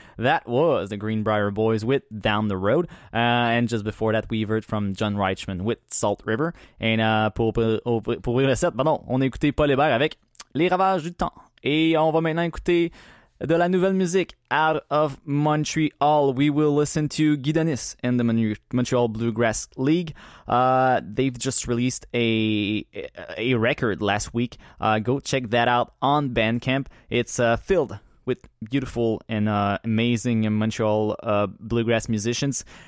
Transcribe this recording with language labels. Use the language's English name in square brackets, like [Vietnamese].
[English] That was the Greenbrier Boys with Down the Road. And just before that, we heard from John Reichman with Salt River. [French] And pour les recettes, pardon, on écoutait Paul Hébert avec Les Ravages du Temps. Et on va maintenant écouter de la nouvelle musique [English] out of Montreal. We will listen to Guy Denis in the Montreal Bluegrass League. They've just released a record last week. Go check that out on Bandcamp. It's filled with beautiful and amazing Montreal bluegrass musicians.